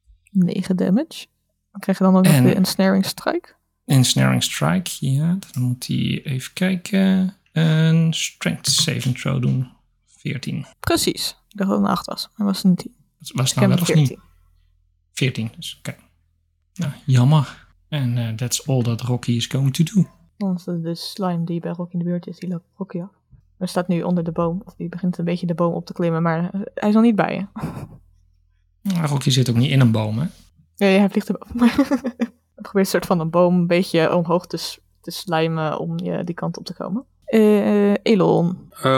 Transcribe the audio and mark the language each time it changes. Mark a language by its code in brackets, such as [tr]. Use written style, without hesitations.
[en] 9 damage? [nl] Krijg je dan ook nog weer een snaring strike? Een snaring strike, ja. Dan moet hij even kijken. Een strength saving throw doen. 14. Precies. Ik dacht dat het een 8 was, maar was het een 10. Was het nou wel of niet? 14. Dus oké. Okay. Nou, jammer. [en] En that's all that Rocky is going to do. [nl] Want de slime die bij Rocky in de buurt is, die loopt Rocky af. Hij staat nu onder de boom. Of die begint een beetje de boom op te klimmen, maar hij is nog niet bij je. Rocky zit ook niet in een boom, hè? Ja, hij vliegt erboven. Probeer een soort van een boom een beetje omhoog te slijmen om die kant op te komen. Elon.